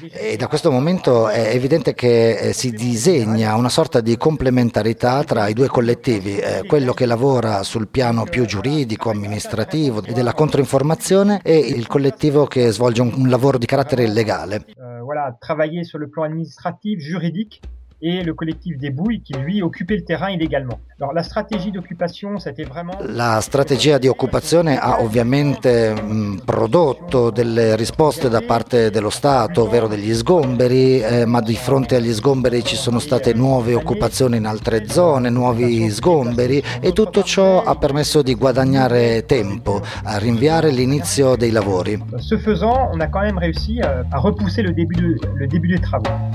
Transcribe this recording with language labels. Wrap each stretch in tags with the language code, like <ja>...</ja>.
<it>E da questo momento è evidente che si disegna una sorta di complementarità tra i due collettivi, quello che lavora sul piano più giuridico, amministrativo e della controinformazione, e il collettivo che svolge un lavoro di carattere illegale.</it> <fr>Travailler sur le plan administratif, juridique et le collectif des Bouilles qui lui occupait le terrain illégalement. Alors la stratégie d'occupation, c'était vraiment.</fr> <it>La strategia di occupazione ha ovviamente prodotto delle risposte da parte dello Stato, ovvero degli sgomberi, ma di fronte agli sgomberi ci sono state nuove occupazioni in altre zone, nuovi sgomberi, e tutto ciò ha permesso di guadagnare tempo, a rinviare l'inizio dei lavori.</it> <fr>Ce faisant, on a quand même réussi à repousser le début des travaux.</fr>